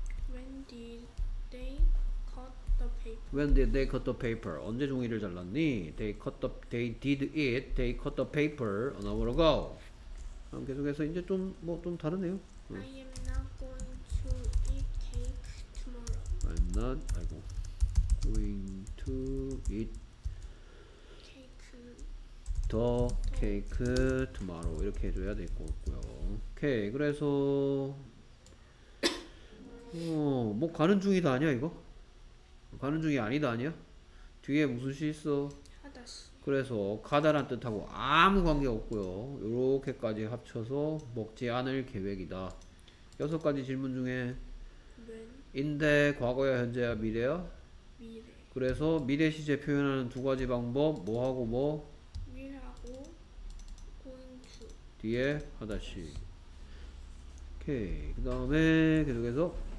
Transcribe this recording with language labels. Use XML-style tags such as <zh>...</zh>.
<en>When did they cut the paper? When did they cut the paper?</en> <ko>언제 종이를 잘랐니?</ko> <en>They did it. They cut the paper an hour ago.</en> <ko>그럼 계속해서 이제 좀, 뭐좀 다르네요.</ko> <en>I am not going to eat cake tomorrow. I'm not, 아이고. Going to eat the cake tomorrow.</en> <ko>이렇게 해줘야 될것 같고요. 오케이. 그래서 뭐 가는 중이다 아니야 이거? 가는 중이 아니다 아니야? 뒤에 무슨 시 있어? 그래서 가다란 뜻하고 아무 관계 없고요. 요렇게까지 합쳐서 먹지 않을 계획이다. 여섯 가지 질문 중에 인데 과거야 현재야 미래야? 미래 그래서 미래 시제 표현하는 두 가지 방법 뭐하고 뭐? 미래하고 going to 뒤에 하다시. 오케이. 그 다음에 계속해서</ko>